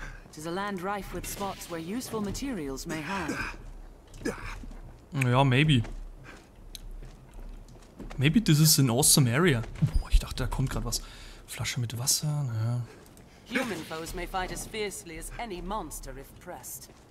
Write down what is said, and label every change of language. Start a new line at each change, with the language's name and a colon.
English: It is a land rife with spots where useful materials may hide. Ja, maybe. Maybe this is an awesome area.
German: Boah, ich dachte, da kommt gerade was. Flasche mit Wasser, naja.
English: Human foes may fight as fiercely as any monster if pressed.